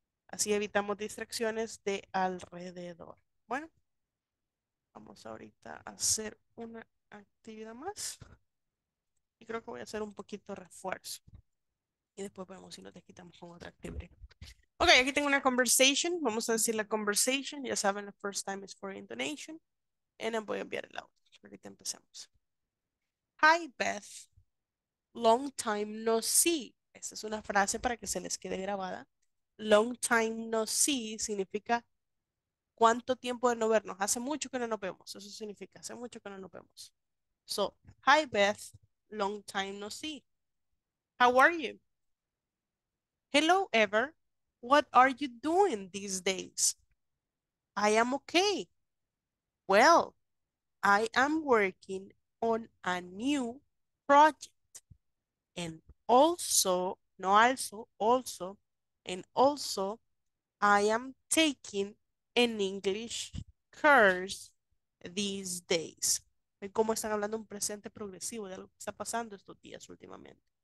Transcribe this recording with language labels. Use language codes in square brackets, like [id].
[es] Así evitamos distracciones de alrededor. Bueno, vamos ahorita a hacer una actividad más. Y creo que voy a hacer un poquito de refuerzo. Y después vemos si nos desquitamos con otra actividad. Ok, aquí tengo una conversation. Vamos a decir la conversation. Ya saben, [en] the first time is for intonation. And I'm going to [es] enviar el audio. Ahorita empecemos. [en] Hi, Beth. Long time no see. [es] Esa es una frase para que se les quede grabada. [en] Long time no see [es] significa cuánto tiempo de no vernos. Hace mucho que no nos vemos. Eso significa hace mucho que no nos vemos. [en] So, hi, Beth. Long time no see. How are you? Hello, Ever. What are you doing these days? I am okay. Well, I am working on a new project. And also, no also, also, and also, I am taking an English course these days. [es] ¿Ven cómo están hablando un presente progresivo de algo que está pasando estos días últimamente?